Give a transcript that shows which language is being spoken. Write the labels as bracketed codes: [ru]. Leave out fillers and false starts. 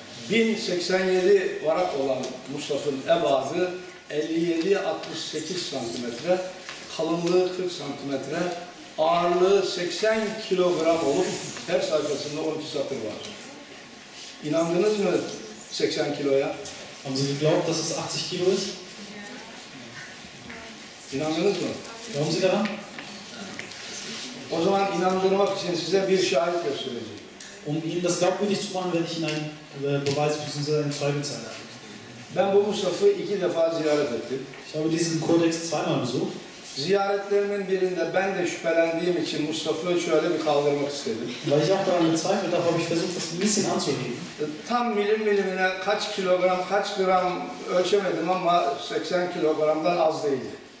[tr] 1087 varak olan Musaf'ın ebadı 57-68 cm, kalınlığı 40 cm, ağırlığı 80 kilogram olup her sayfasında 12 satır var. İnandınız mı 80 kiloya? [de] Haben Sie geglaubt, dass es 80 Kilo ist? [tr] İnandınız mı? [de] Glauben Sie daran? [tr] O zaman inandırmak için size bir şahit göstereceğim. [de] Um Ihnen das glaubwürdig zu machen, werde ich Ihnen einen Beweis bzw. einen Zeugen zeigen. [tr] Ben bu Musaf'ı iki defa ziyaret ettim. [de] Ich habe diesen Kodex zweimal besucht. [tr] Ziyaretlerimin birinde ben de şüphelendiğim için Mustafa'yı şöyle bir kaldırmak istedim. [de] Weil ich auch daran gezweifelt habe, habe ich versucht, das ein bisschen anzuheben. [tr] Tam milim milimine kaç kilogram, kaç gram ölçemedim ama 80 kilogramdan az değildi.